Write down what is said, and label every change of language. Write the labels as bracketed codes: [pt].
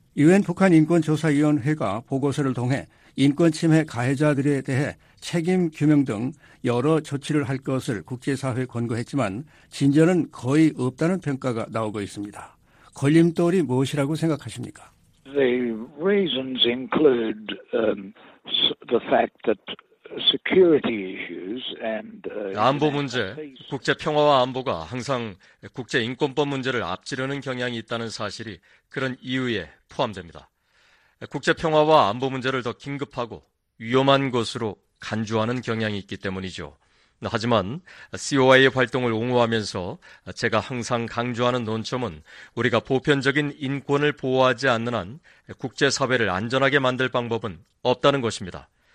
[ko] 유엔 북한인권조사위원회가 보고서를 통해 인권침해 가해자들에 대해 책임 규명 등 여러 조치를 할 것을 국제사회에 권고했지만 진전은 거의 없다는 평가가 나오고 있습니다. 걸림돌이 무엇이라고 생각하십니까? [en] The reasons include the fact that security issues and [ko] 안보 문제, 국제 평화와 안보가 항상 국제 인권법 문제를 앞지르는 경향이 있다는 사실이 그런 이유에 포함됩니다. 국제 평화와 안보 문제를 더 긴급하고 위험한 것으로 간주하는 경향이 있기 때문이죠. 하지만 COI의 활동을 옹호하면서 제가 항상 강조하는 논점은 우리가 보편적인 인권을 보호하지 않는 한 국제사회를 안전하게 만들 방법은 없다는 것입니다.